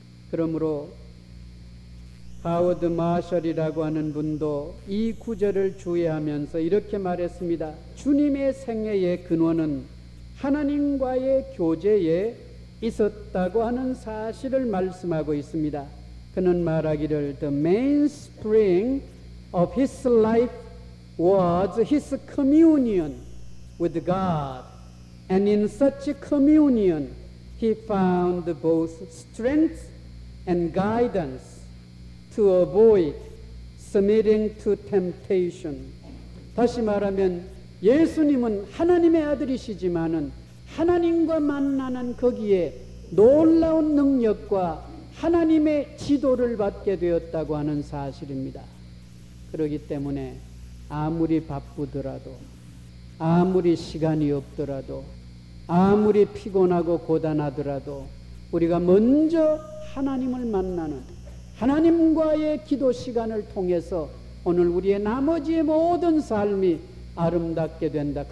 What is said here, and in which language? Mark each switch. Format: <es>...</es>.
<ko>그러므로 하워드 마셜이라고 하는 분도 이 구절을 주의하면서 이렇게 말했습니다. 주님의 생애의 근원은 하나님과의 교제에 있었다고 하는 사실을 말씀하고 있습니다. 그는 말하기를</ko> <en>The mainspring of his life was his communion with God. And in such a communion, he found both strength and guidance to avoid submitting to temptation.</en> <ko>다시 말하면 예수님은 하나님의 아들이시지만은 하나님과 만나는 거기에 놀라운 능력과 하나님의 지도를 받게 되었다고 하는 사실입니다. 그렇기 때문에 아무리 바쁘더라도, 아무리 시간이 없더라도, 아무리 피곤하고 고단하더라도 우리가 먼저 하나님을 만나는 하나님과의 기도 시간을 통해서 오늘 우리의 나머지의 모든 삶이 아름답게 된다.</ko>